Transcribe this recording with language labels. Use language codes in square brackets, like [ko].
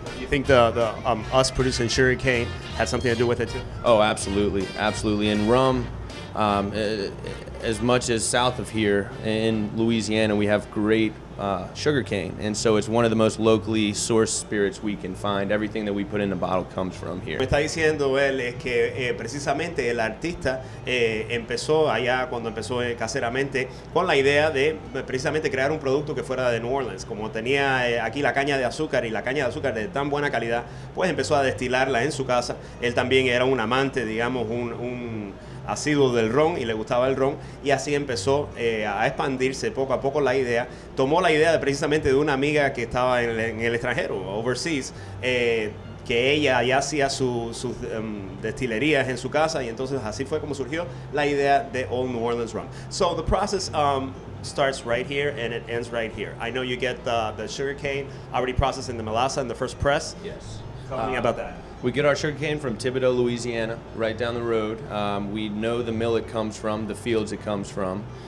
[en] You think the us producing sugar cane had something to do with it too? Oh, absolutely, absolutely. And rum, as much as south of here in Louisiana, we have great sugar cane. And so it's one of the most locally sourced spirits we can find. Everything that we put in the bottle comes from here. [es] Me está diciendo él es que precisamente el artista empezó allá cuando empezó caseramente con la idea de precisamente crear un producto que fuera de New Orleans. Como tenía aquí la caña de azúcar, y la caña de azúcar de tan buena calidad, pues empezó a destilarla en su casa. Él también era un amante, digamos, un asiduo del ron, y le gustaba el ron, y así empezó a expandirse poco a poco la idea. Tomó la idea de precisamente de una amiga que estaba en el extranjero, overseas, que ella ya hacía sus destilerías en su casa, y entonces así fue como surgió la idea de Old New Orleans Rum. [en] So the process starts right here and it ends right here. I know you get the sugar cane already processed in the melaza in the first press. Yes. Tell me about that. We get our sugar cane from Thibodaux, Louisiana, right down the road. We know the mill it comes from, the fields it comes from.